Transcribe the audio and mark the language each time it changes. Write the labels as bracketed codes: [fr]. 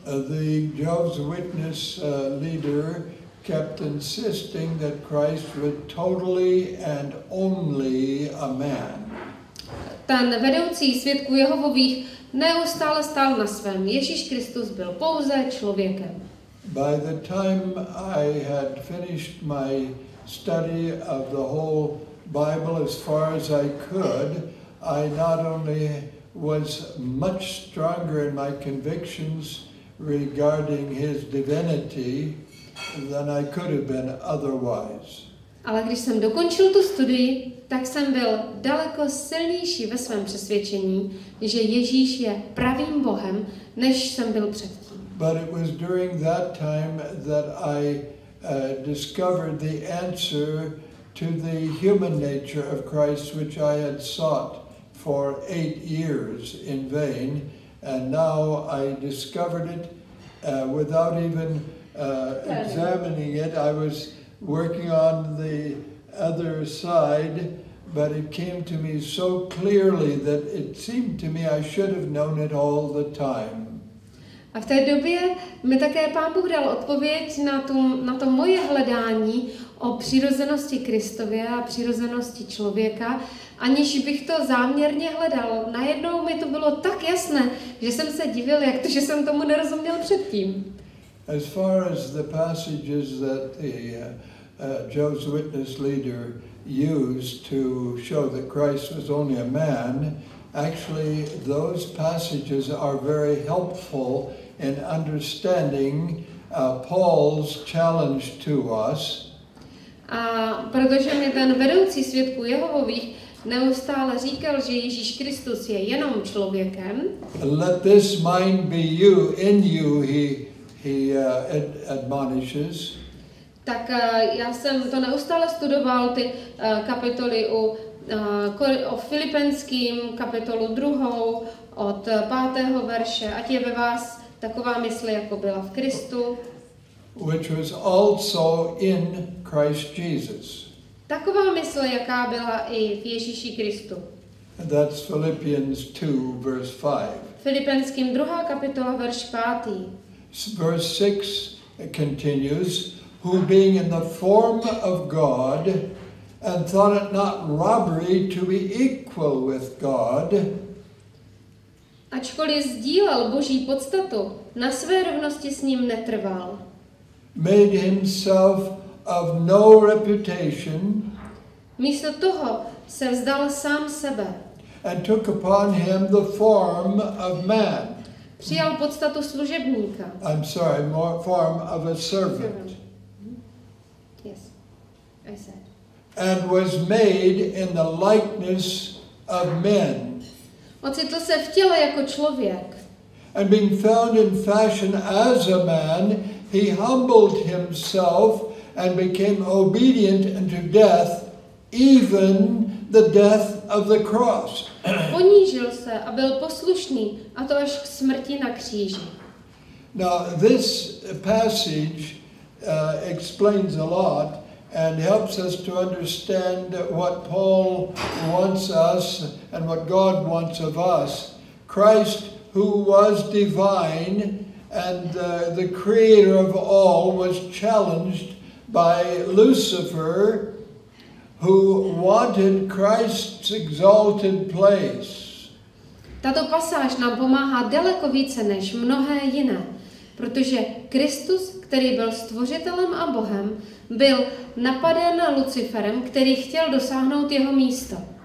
[en] The Jehovah's Witness leader kept insisting that Christ was totally and only a man. [cs] Ten vedoucí svědků Jehovových neustále stál na svém. Ježíš Kristus byl pouze člověkem. [en] By the time I had finished my study of the whole Bible as far as I could, I not only was much stronger in my convictions regarding his divinity than I could have been otherwise. [cs] Ale když jsem dokončil tu studii, tak jsem byl daleko silnější ve svém přesvědčení, že Ježíš je pravým Bohem, než jsem byl předtím. [en] But it was during that time that I discovered the answer to the human nature of Christ, which I had sought for 8 years in vain, and now I discovered it without even examining it. I was working on the other side, but it came to me so clearly that it seemed to me I should have known it all the time. [cs] A v té době mi také Pán Bůh dal odpověď na to moje hledání o přirozenosti Kristově a přirozenosti člověka, aniž bych to záměrně hledal. Najednou mi to bylo tak jasné, že jsem se divil, jak to, že jsem tomu nerozuměl předtím. [en] As far as the passages that the Jehovah's Witness leader used to show that Christ was only a man, actually those passages are very helpful in understanding Paul's challenge to us. [cs] A protože mi ten vedoucí svědků Jehovových neustále říkal, že Ježíš Kristus je jenom člověkem. [en] Let this mind be you in you, he admonishes. [cs] Tak já jsem to neustále studoval, ty kapitoly o Filipenským, kapitolu druhou, od 5. verše, ať je ve vás taková mysl, jako byla v Kristu. [en] Which was also in Christ Jesus. [cs] Taková mysl, jaká byla i v Ježíši Kristu. [en] That's Philippians 2, verse 5. [cs] Filipenským 2. kapitola, verš 5. [en] Verse 6 continues, who being in the form of God, and thought it not robbery to be equal with God. [cs] Ačkoliv sdílel Boží podstatu, na své rovnosti s ním netrval. [en] Made himself of no reputation. [cs] Místo toho se vzdal sám sebe. [en] And took upon him the form of man. [cs] Přijal podstatu služebníka. [en] I'm sorry, more form of a servant. Yes, I said. And was made in the likeness of men. [cs] Ocitl se v těle jako člověk. [en] And being found in fashion as a man, he humbled himself and became obedient unto death, even the death of the cross. [cs] Ponížil se a byl poslušný, a to až k smrti na kříži. [en] Now this passage explains a lot and helps us to understand what Paul wants us and what God wants of us. Christ, who was divine and the creator of all, was challenged by Lucifer, who wanted Christ's exalted place. [cs] Tato pasáž nám pomáhá daleko více než mnohé jiné, protože Kristus, který byl stvořitelem a Bohem, byl napaden Luciferem, který chtěl dosáhnout jeho místo.